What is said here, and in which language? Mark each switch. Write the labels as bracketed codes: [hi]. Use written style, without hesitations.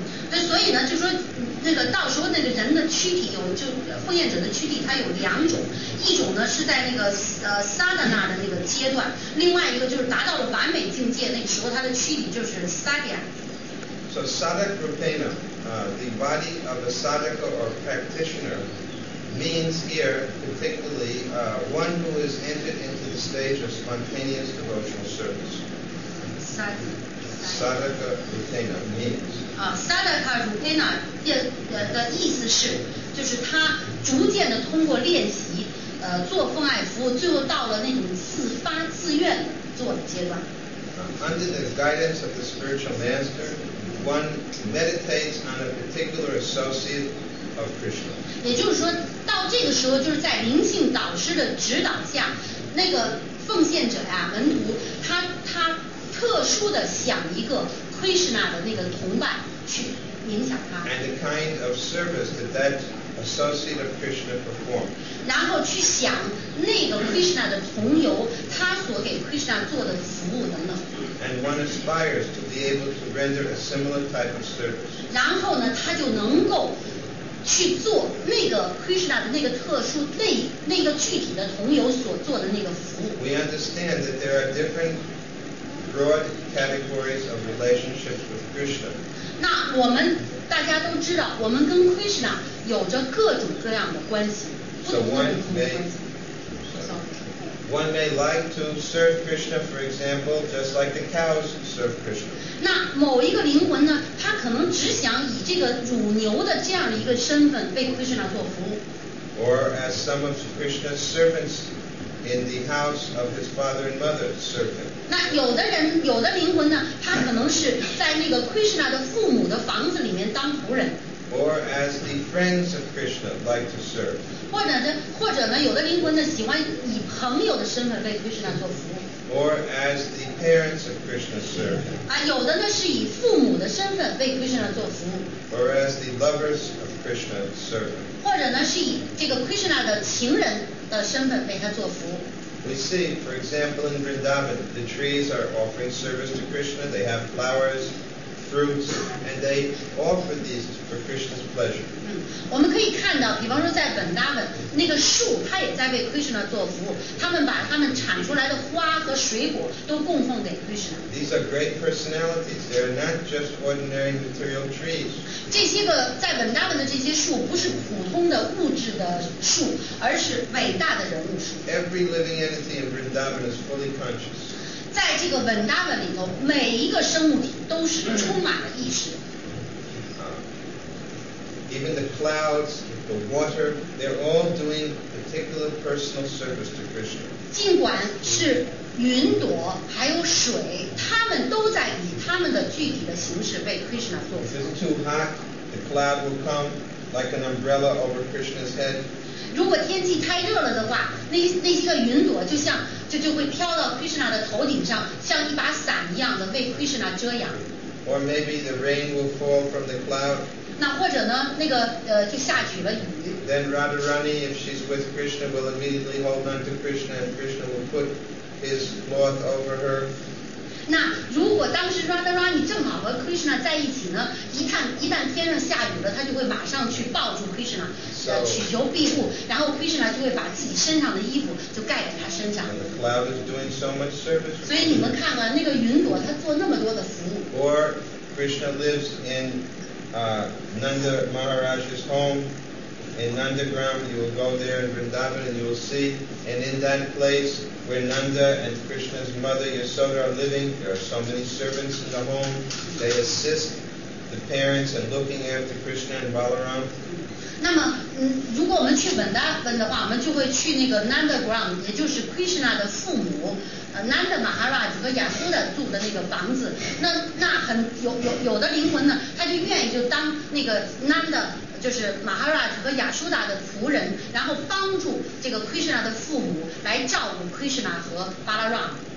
[zh] 那所以呢，就说那个到时候那个人的躯体有，就奉献者的躯体，它有两种，一种呢是在那个萨达那的那个阶段，另外一个就是达到了完美境界，那时候他的躯体就是萨迪亚。 [en] So sadhaka rupena, the body of a sadhaka or practitioner means here particularly one who is entered into the stage of spontaneous devotional service. Sadhaka rupena means. [zh] Sadhaka Rupena 的意思是，就是他逐渐的通过练习，做奉爱服务，最后到了那种自发自愿做的阶段。 [en] Under the guidance of the spiritual master, one meditates on a particular associate of Krishna. [zh] 也就是说，到这个时候，就是在灵性导师的指导下，那个奉献者呀、门徒，他特殊的想一个。 Krishna 的那个同伴去冥想他 [en] and the kind of service that that associate of Krishna performs [zh] 然后去想那个 Krishna 的同游他所给 Krishna 做的服务等等 [en] and one aspires to be able to render a similar type of service [zh] 然后呢他就能够去做那个 Krishna 的那个特殊那个具体的同游所做的那个服务 [en] we understand that there are different broad categories of relationships with Krishna. [zh] 那我们大家都知道，我们跟 Krishna 有着各种各样的关系。 [en] One may like to serve Krishna, for example, just like the cows serve Krishna. [zh] 那某一个灵魂呢，他可能只想以这个乳牛的这样的一个身份为 Krishna 做服务。 [en] Or as some of Krishna's servants. In the house of his father and mother, servant. [zh] 那有的人，有的灵魂呢，他可能是在那个 Krishna 的父母的房子里面当仆人。 [en] Or as the friends of Krishna like to serve. [zh] 或者呢，有的灵魂呢，喜欢以朋友的身份为 Krishna 做服务。 [en] Or as the parents of Krishna serve. [zh] 啊，有的呢是以父母的身份为 Krishna 做服务。 [en] Or as the lovers of Krishna serve. [zh] 或者呢是以这个 Krishna 的情人。的身份为他做服务。 [en] We see, for example, in Vrindavan, the trees are offering service to Krishna. They have flowers, fruits, and they offer these for Krishna's pleasure. [zh] 我们可以看到，比方说在本达本，那个树它也在为 Krishna 做服务。他们把他们产出来的花和水果都供奉给 Krishna. [en] These are great personalities. They are not just ordinary material trees. [zh] 这些个在本达本的这些树不是普通的物质的树，而是伟大的人物树。 [en] Every living entity in Vrindavan is fully conscious. [zh] 在这个本达本里头，每一个生物体都是充满了意识。 [en] Even the clouds, the water, they're all doing particular personal service to Krishna. [zh] 尽管是云朵，还有水，他们都在以他们的具体的形式为 Krishna 做服务。 [en] If it's too hot, the cloud will come like an umbrella over Krishna's head. [zh] 如果天气太热了的话，那些个云朵就会飘到 Krishna 的头顶上，像一把伞一样的为 Krishna 遮阳。 [en] Or maybe the rain will fall from the cloud. [zh] 那或者呢那个就下起了雨 [en] then Radharani if she's with Krishna will immediately hold on to Krishna and Krishna will put his cloth over her [zh] 那如果当时 Radharani 正好和 Krishna 在一起呢一旦天上下雨了他就会马上去抱住 Krishna、 [en] so, [zh] 取求庇护然后 Krishna 就会把自己身上的衣服就盖在他身上 [en] the cloud is doing so much service [zh] 所以你们看看那个云朵他做那么多的服务 [en] or Krishna lives inNanda Maharaj's home in Nandagram, you will go there in Vrindavan and you will see. And in that place where Nanda and Krishna's mother Yasoda are living, there are so many servants in the home. They assist the parents in looking after Krishna and Balaram. [zh] 那么，如果我们去 Vrindavan 的话，我们就会去那个 Nandagram， 也就是 Krishna 的父母。南的马哈拉几个亚苏的住的那个房子，那很有的灵魂呢，他就愿意就当那个南的，就是马哈拉几个亚苏达的仆人，然后帮助这个 Krishna 的父母来照顾 Krishna 和 Balaram。